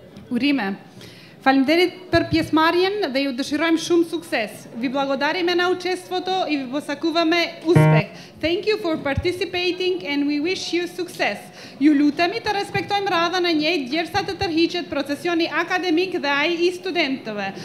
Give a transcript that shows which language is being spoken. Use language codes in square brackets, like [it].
[sq] Urime. Faleminderit për pjesëmarrjen dhe ju dëshirojmë shumë sukses. [mk] Vi blagodarime na učestvoto I vi posakuvame uspeh. [en] Thank you for participating and we wish you success. [sq] Ju lutemi të respektojmë radhën e njëjtë gjersa të tërhiqet procesioni akademik dhe ai I studentëve.